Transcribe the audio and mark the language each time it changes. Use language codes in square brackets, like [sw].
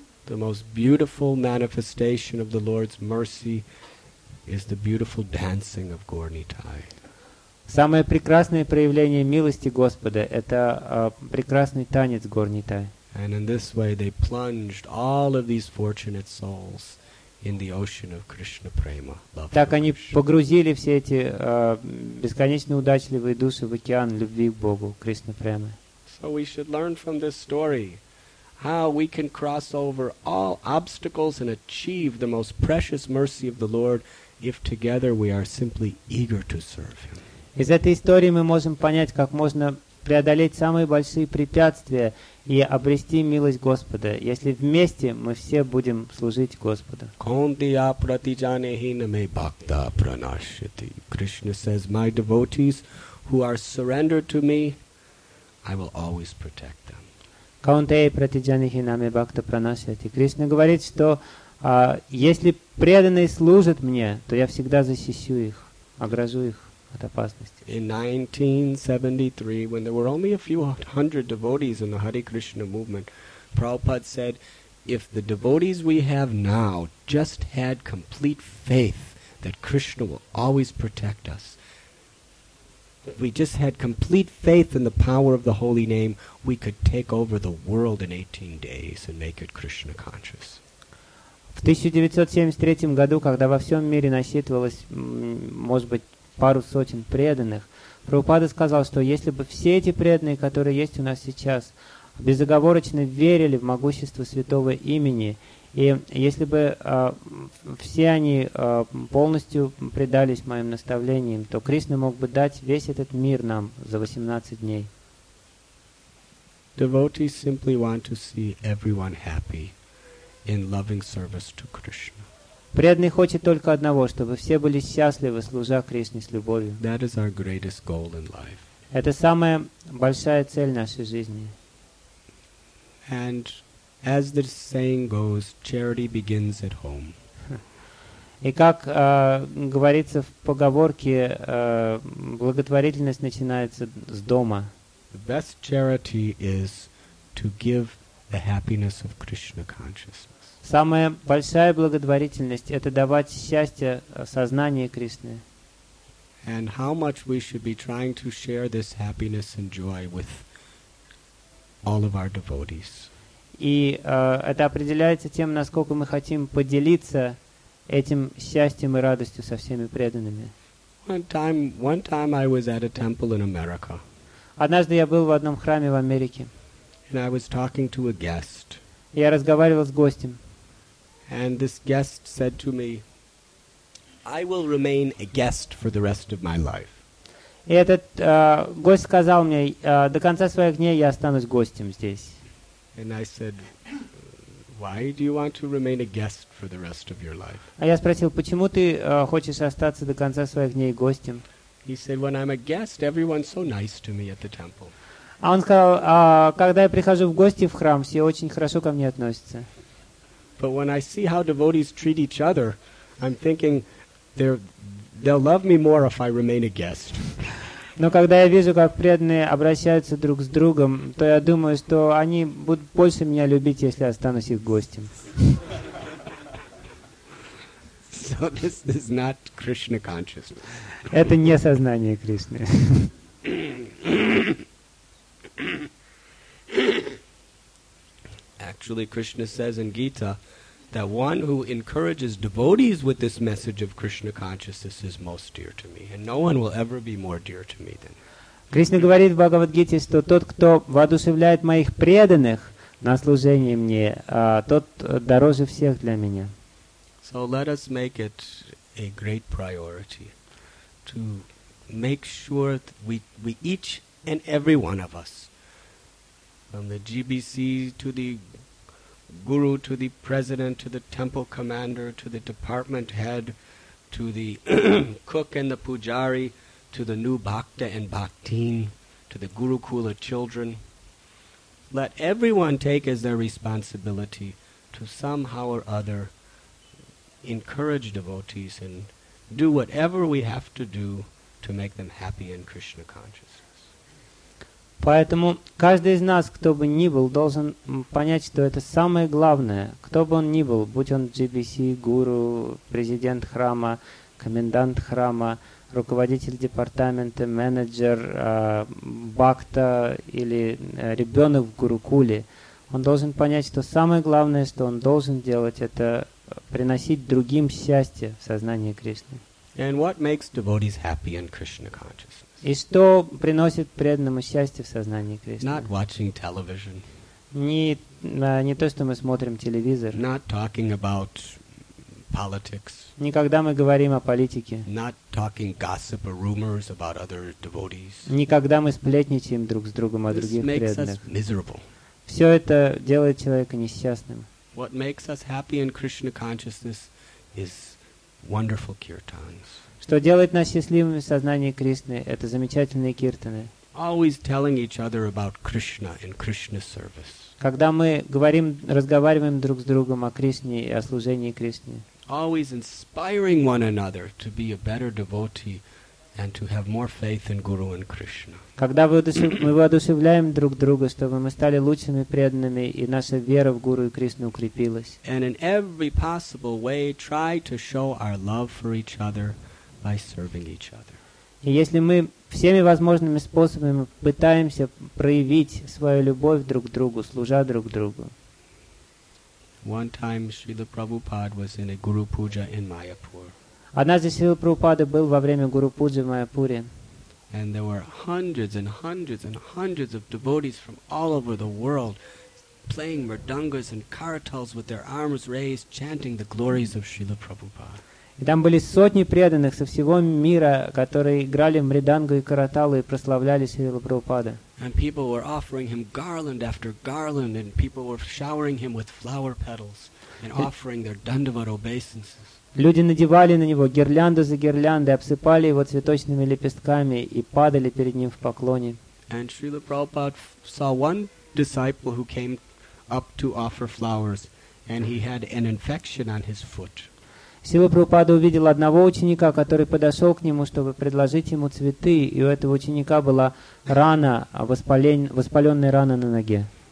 [en] The most beautiful manifestation of the Lord's mercy is the beautiful dancing of Gaur Nithai. [ru] Самое прекрасное проявление милости Господа — это прекрасный танец Гаур Нитхай. [en] And in this way, they plunged all of these fortunate souls in the ocean of Krishna prema. [ru] Так они погрузили все эти бесконечно удачливые души в океан любви к Богу, Кришна према. [en] So we should learn from this story how we can cross over all obstacles and achieve the most precious mercy of the Lord if together we are simply eager to serve Him. [ru] Из этой истории мы можем понять, как можно преодолеть самые большие препятствия и обрести милость Господа, если вместе мы все будем служить Господу. [sa] Kondiya pratijane hiname bhakta pranashyati. [en] Krishna says, my devotees who are surrendered to me, I will always protect them. [sa] Каунтея пратиджани хинаме бхакта пранасяти. [ru] Кришна говорит, что если преданные служат мне, то я всегда защищу их, огражу их от опасности. [en] In 1973, when there were only a few hundred devotees in the Hare Krishna movement, Prabhupada said, if the devotees we have now just had complete faith that Krishna will always protect us, if we just had complete faith in the power of the holy name, we could take over the world in 18 days and make it Krishna conscious. [ru] В 1973 году, когда во всем мире насчитывалось, может быть, пару сотен преданных, Прабхупада сказал, что если бы все эти преданные, которые есть у нас сейчас, безоговорочно верили в могущество святого имени, и если бы все они полностью предались моим наставлениям, то Кришна мог бы дать весь этот мир нам за 18 дней. [en] Devotees simply want to see everyone happy in loving service to Krishna. [ru] Преданный хочет только одного, чтобы все были счастливы, служа Кришне с любовью. [en] That is our greatest goal in life. [ru] Это самая большая цель нашей жизни. [en] And as the saying goes, charity begins at home. [ru] И как говорится в поговорке, благотворительность начинается с дома. [en] The best charity is to give the happiness of Krishna consciousness. [ru] Самая большая благотворительность — это давать счастье сознанию Кришны. [en] And how much we should be trying to share this happiness and joy with all of our devotees. [ru] И это определяется тем, насколько мы хотим поделиться этим счастьем и радостью со всеми преданными. [en] One time I was at a temple in America. [ru] Однажды я был в одном храме в Америке. [en] And I was talking to a guest. [ru] Я разговаривал с гостем. [en] And this guest said to me, I will remain a guest for the rest of my life. [ru] И этот гость сказал мне, до конца своих дней я останусь гостем здесь. [en] And I said, why do you want to remain a guest for the rest of your life? [ru] А я спросил, почему ты хочешь остаться до конца своих дней гостем? [en] He said, when I'm a guest, everyone's so nice to me at the temple. [ru] А он сказал, когда я прихожу в гости в храм, все очень хорошо ко мне относятся. [en] But when I see how devotees treat each other, I'm thinking they'll love me more if I remain a guest. [ru] Но когда я вижу, как преданные обращаются друг с другом, то я думаю, что они будут больше меня любить, если останусь их гостем. [en] So this is not Krishna consciousness. [ru] Это не сознание Кришны. [en] Actually, Krishna says in Gita that one who encourages devotees with this message of Krishna consciousness is most dear to me, and no one will ever be more dear to me than. [ru] Кришна говорит в Бхагавад-гите, что тот, кто воодушевляет моих преданных на служение мне, тот дороже всех для меня. [en] So let us make it a great priority to make sure that we each and every one of us, from the GBC to the guru to the president to the temple commander to the department head to the cook and the pujari to the new bhakta and bhaktin to the gurukula children, let everyone take as their responsibility to somehow or other encourage devotees and do whatever we have to do to make them happy in Krishna consciousness. [ru] Поэтому каждый из нас, кто бы ни был, должен понять, что это самое главное. Кто бы он ни был, будь он GBC, гуру, президент храма, комендант храма, руководитель департамента, менеджер, бхакта или ребенок в гурукуле, он должен понять, что самое главное, что он должен делать, это приносить другим счастье в сознании Кришны. [en] And what makes devotees happy in Krishna consciousness? [ru] И что приносит преданному счастье в сознании Кришны? [en] Not watching television. [ru] Не то, что мы смотрим телевизор. [en] Not talking about politics. [ru] Никогда мы говорим о политике. [en] Not talking gossip or rumors about other devotees. [ru] Никогда мы сплетничаем друг с другом о других преданных. [en] This makes us miserable. [ru] Все это делает человека несчастным. [en] What makes us happy in Krishna consciousness is wonderful kirtans. [ru] Что делает нас счастливыми в сознании Кришны, это замечательные киртаны. [en] Always telling each other about Krishna and Krishna's service. [ru] Когда мы говорим, разговариваем друг с другом о Кришне и о служении Кришне. [en] Always inspiring one another to be a better devotee and to have more faith in Guru and Krishna. [ru] Когда мы воодушевляем друг друга, чтобы мы стали лучшими преданными и наша вера в Гуру и Кришну укрепилась. [en] And in every possible way try to show our love for each other by serving each other. [ru] И если мы всеми возможными способами пытаемся проявить свою любовь друг к другу, служа друг другу. [en] One time Srila Prabhupada was in a Guru Puja in Mayapur. [ru] Однажды Срила Прабхупада был во время Гуру Пуджи в Майяпуре. [en] And there were hundreds and hundreds and hundreds of devotees from all over the world playing mridangas and karatals with their arms raised, chanting the glories of Srila Prabhupada. [ru] И там были сотни преданных со всего мира, которые играли мриданго и караталы и прославляли Срила Прабхупада. [en] And people were offering him garland after garland, and people were showering him with flower petals and offering their dandavat obeisances. [ru] Люди надевали на него гирлянду за гирляндой, обсыпали его цветочными лепестками и падали перед ним в поклоне. [en] And Srila Prabhupada saw one disciple who came up to offer flowers, and he had an infection on his foot. [ru] Srila Prabhupada увидел одного ученика, который подошел к нему, чтобы предложить ему цветы, и у этого ученика была рана, воспаленная рана на ноге.